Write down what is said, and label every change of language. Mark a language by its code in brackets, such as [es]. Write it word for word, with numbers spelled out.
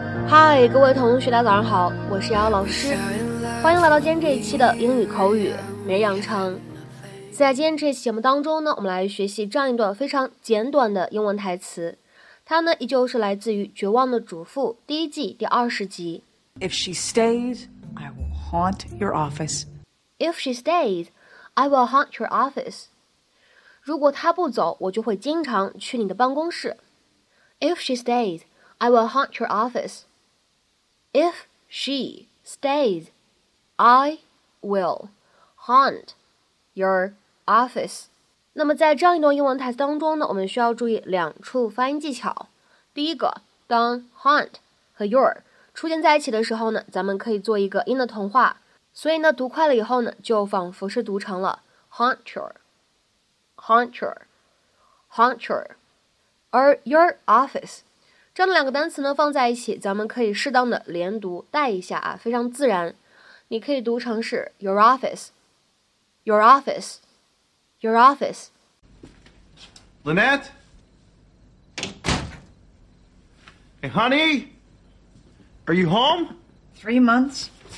[zh] 嗨，各位同学，大家早上好，我是瑶瑶老师，欢迎来到今天这一期的英语口语每日养成。在今天这期节目当中呢，我们来学习这样一段非常简短的英文台词，它呢依旧是来自于《绝望的主妇》第一季第二十集。 [en] If she stays, I will haunt your office. If she stays, I will haunt your office. [zh] 如果她不走，我就会经常去你的办公室。 [en] If she stays, I will haunt your office. If she stays, I will haunt your office. [zh] 那么在这样一段英文台词当中呢，我们需要注意两处发音技巧。第一个，当 haunt 和 your 出现在一起的时候呢，咱们可以做一个音的同化，所以呢读快了以后呢，就仿佛是读成了 haunt your, haunt your, haunt your, 而 your office。这样的两个单词呢放在一起，咱们可以适当的连读带一下啊，非常自然。你可以读成是 your office, your office, your office. [en] Lynette? Hey, honey? Are you home? Three months.